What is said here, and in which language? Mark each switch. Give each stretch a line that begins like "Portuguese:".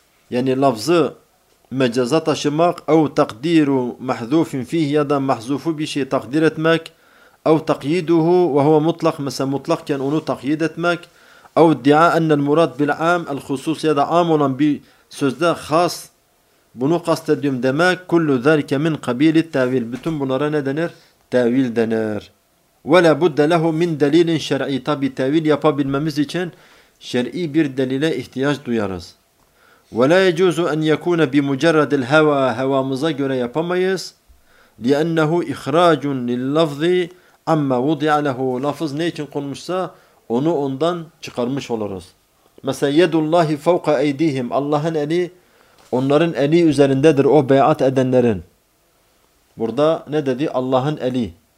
Turkish: Yani lafzı mecaza taşımak
Arabic: اَوْ تَقْدِيرُ مَحْذُوفٍ فِيهِ
Turkish: ya da mahzufu bir şey takdir etmek
Arabic: اَوْ تَقْيِيدُهُ وَهُوَ مُطْلَقْ
Turkish: mesela mutlakken onu takyid etmek
Arabic: اَوْ اَدْدِعَا اَنَّ الْمُرَدْ بِالْعَامِ الْخُسُوسِ
Turkish: ya da am olan bir sözde khas bunu kastediyorum demek
Arabic: كُلُّ ذَلْكَ مِنْ قَبِيلِ التَّاوِيلِ
Turkish: bütün bunlara ne denir? Tevil denir.
Arabic: وَلَا بُدَّ لَهُ مِنْ دَلِيلٍ شَرْعِي
Turkish: tabi tevil yapabilmemiz için şer'i bir delile ihtiyaç duyarız.
Arabic: وَلَا يَجُوزُ أَنْ يَكُونَ بِمُجَرَّدِ الْهَوَى
Turkish: hevamıza göre yapamayız.
Arabic: لِأَنَّهُ اِخْرَاجٌ لِلَّفْظِ عَمَّ وُضِعَ لَهُ
Turkish: lafız ne için konmuşsa onu ondan çıkarmış oluruz.
Arabic: مَسَلْ يَدُ اللّٰهِ فَوْقَ اَيْدِيهِمْ
Turkish: Allah'ın eli onların eli üzerindedir, o beyat edenlerin. Burada ne dedi? Allah'ın eli.